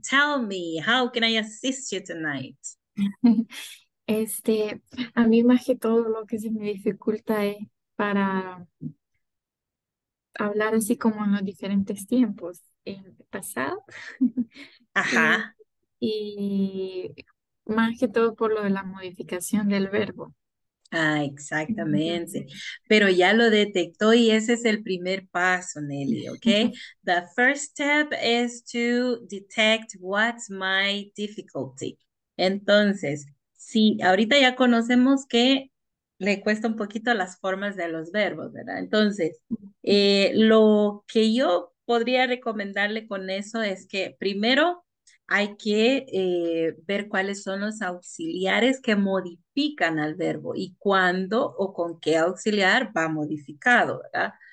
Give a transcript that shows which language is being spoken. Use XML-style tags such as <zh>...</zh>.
<en>Tell me, how can I assist you tonight?</en> <es>A mí más que todo lo que se me dificulta es para hablar así como en los diferentes tiempos, en el pasado. Ajá. Y más que todo por lo de la modificación del verbo. Ah, exactamente. Pero ya lo detectó y ese es el primer paso, Nelly, okay?</es> <en>The first step is to detect what's my difficulty.</en> <es>Entonces, sí, ahorita ya conocemos que le cuesta un poquito las formas de los verbos, ¿verdad? Entonces, lo que yo podría recomendarle con eso es que primero hay que ver cuáles son los auxiliares que modifican al verbo y cuándo o con qué auxiliar va modificado, ¿verdad?</es>